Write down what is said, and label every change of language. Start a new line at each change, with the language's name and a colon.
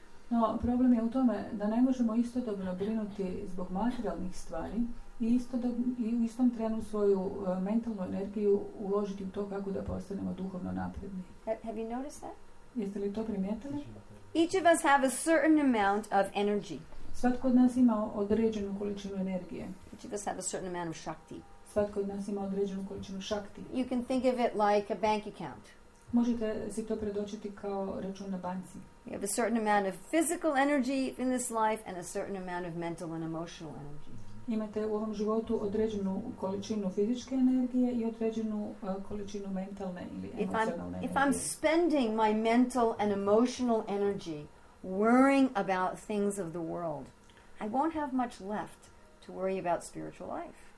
Croatian: No, problem je u tome da ne možemo istodobno brinuti zbog materijalnih stvari i u istom trenu svoju mentalnu energiju uložiti u to kako da postanemo duhovno napredni.
English: Have you noticed that?
Croatian: Jeste li to primijetili?
English: Each of us have a certain amount of energy.
Croatian: Svatko od nas ima određenu količinu energije.
English: Each of us have a certain amount of shakti.
Croatian: Svatko od nas ima određenu količinu shakti.
English: You can think of it like a bank account.
Croatian: Možete si to predočiti kao račun na banci.
English: We have a certain amount of physical energy in this life and a certain amount of mental and emotional energy.
Croatian: Imate u ovom životu određenu količinu fizičke energije I određenu količinu mentalne ili emocionalne energije.
English: If I'm spending my mental and emotional energy worrying about things of the world, I won't have much left to worry about spiritual life.